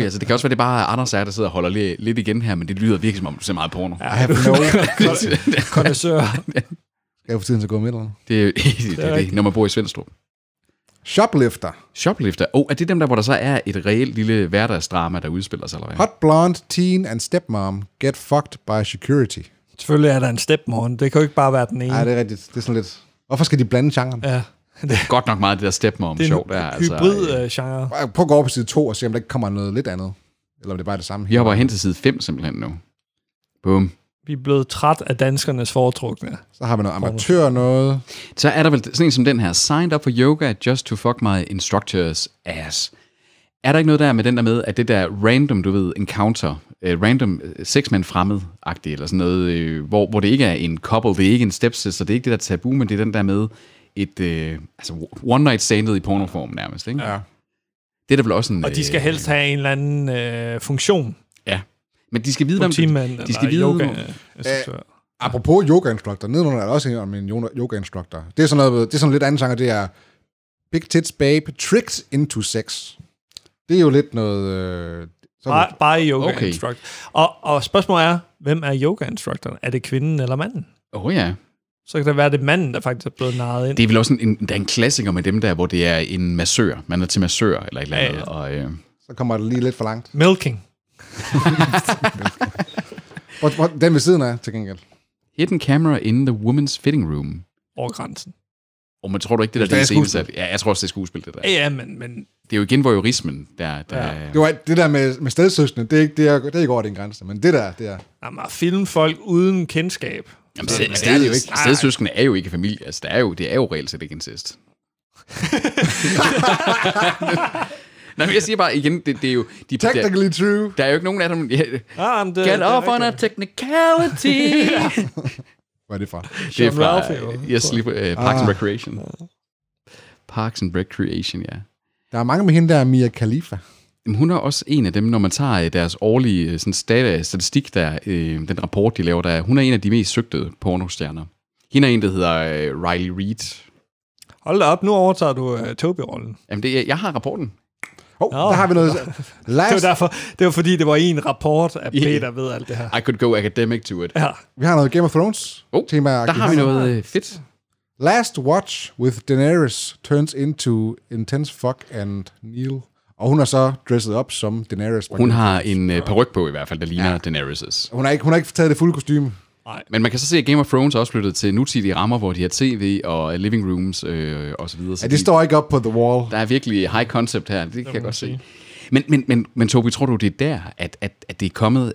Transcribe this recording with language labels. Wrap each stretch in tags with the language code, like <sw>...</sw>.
<da>Altså, det kan også være, det bare Anders er, der sidder og holder lidt igen her, men det lyder virkelig, som om du ser meget porno.</da> <en>I have no idea. Kondisseur.</en> <da>Skal jeg få tiden til at gå med, eller? Det er det, når man bor i Svendstrup.</da> <en>Shoplifter.</en> <da>Er det dem der, hvor der så er et reelt lille hverdagsdrama, der udspiller sig, eller hvad?</da> <en>Hot blonde teen and stepmom get fucked by security.</en> <da>Selvfølgelig er der en stepmom. Det kan jo ikke bare være den ene. Nej, det er rigtigt. Det er sådan lidt... Hvorfor skal de blande genren? Ja. Det er godt nok meget det der stepmom-show. Det er en hybrid-genre. Altså. Prøv at gå over på side 2 og se, om der ikke kommer noget lidt andet. Eller om det bare er det samme. Vi hopper hen til side 5 simpelthen nu. Boom. Vi er blevet træt af danskernes foretrukne. Så har vi noget amatør noget. Så er der vel sådan en som den her.</da> <en>Signed up for yoga just to fuck my instructor's ass.</en> <da>Er der ikke noget der med den der med, at det der random, du ved, encounter, random sexmænd fremmed-agtigt, eller sådan noget, hvor det ikke er en couple, det er ikke en stepsister, det er ikke det der tabu, men det er den der med et altså one night standet i pornoform nærmest, ikke? Ja. Det er der vel også en... Og de skal helst have en eller anden funktion. Ja. Men de skal vide, hvem... Teammand de skal vide yoga. Apropos yoga-instructor, nedenunder er der også en om en yoga-instructor. Det er sådan noget, det er sådan lidt anden sanger, det er Big Tits Babe Tricks into Sex. Det er jo lidt noget... Bare yoga-instructor. Okay. Og spørgsmålet er, hvem er yoga-instructoren? Er det kvinden eller manden? Åh oh, ja. Så kan det være, det manden, der faktisk er blevet narret ind. Det er vel også en klassiker med dem der, hvor det er en massør. Man er til massør eller et eller andet. Ja, ja. Så kommer det lige lidt for langt.</da> <en>Milking.</en> <da>Den ved siden af, til gengæld.</da> <en>Hidden camera in the woman's fitting room.</en> <da>Over grænsen. Og man tror du ikke, det der det er det seneste? Ja, jeg tror også, det er skuespil, det der. Ja, men... Det er jo igen voyeurismen, der... Ja. Det, var, det der med stedsøstene, det er ikke over den grænse. Men det der, det er... Jamen, at filme folk uden kendskab... Jamen, stedsøskende er jo ikke familie. Altså, det er jo reelt set ikke incest. Nej, men jeg siger bare igen, det er jo...</da> <en>Technically</en> <da>der,</da> <en>true.</en> <da>Der er jo ikke nogen af dem...</da> <en>Yeah. Ah, get det, off on a technicality.</en> <da>Hvad er det fra? Det er fra Parks and Recreation. Parks and Recreation, ja. Der er mange med hende, der er Mia Khalifa. Hun er også en af dem, når man tager deres årlige sådan statistik, der, den rapport, de laver, der er. Hun er en af de mest søgte pornostjerner. Hende er en, der hedder Riley Reid. Hold da op, nu overtager du Toby-rollen. Jamen, det er, jeg har rapporten. Oh, no. Der har vi noget. Det var fordi, det var en rapport af Peter ved alt det her.</da> <en>I could go academic to it.</en> <da>Ja. Vi har noget Game of Thrones. Oh, tema. Der har vi noget fedt.</da> <en>Last watch with Daenerys turns into intense fuck and Neil.</en> <da>Og hun er så dresset op som Daenerys. Hun har en peruk på i hvert fald, der ligner Daenerys'. Hun har ikke taget det fulde kostyme. Nej. Men man kan så se, at Game of Thrones er også flyttet til nutidige rammer, hvor de har tv og living rooms osv. Ja, det står ikke op på the wall. Der er virkelig high concept her, det kan jeg godt se. Men Tobi, tror du, det er der, at det er kommet...</da>